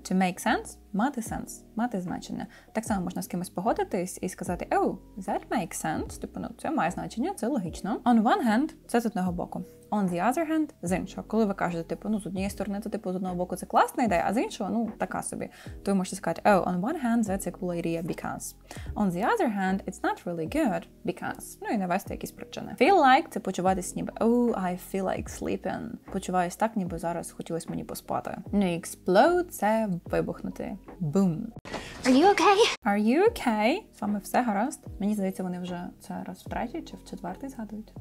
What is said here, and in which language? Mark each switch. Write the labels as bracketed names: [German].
[English] To make sense, [Ukrainian] мати значення. Так само можна з кимось погодитись і сказати, [English] oh, that makes sense, [Ukrainian] типу, ну, це має значення, це логічно. [English] On one hand, [Ukrainian] це з одного боку. [English] On the other hand, [Ukrainian] з іншого. Коли ви кажете, типу, ну, з однієї сторони, це, типу, з одного боку, це класна ідея, а з іншого, ну, така собі. То ви можете сказати, [English] oh, on one hand, that's a cool idea because. On the other hand, it's not really good because. [Ukrainian] Ну, і навести якісь причини. [English] Feel like – [Ukrainian] це почуватись ніби, [English] oh, I feel like sleeping. [Ukrainian] Почуваюсь так, ніби зараз хотілося мені поспати. Ну, explode – це вибухнути. Boom. [English] Are you okay? Are you okay? [Ukrainian] З вами все гаразд? Мені здається, вони вже це раз в третій чи в четвертий згадують.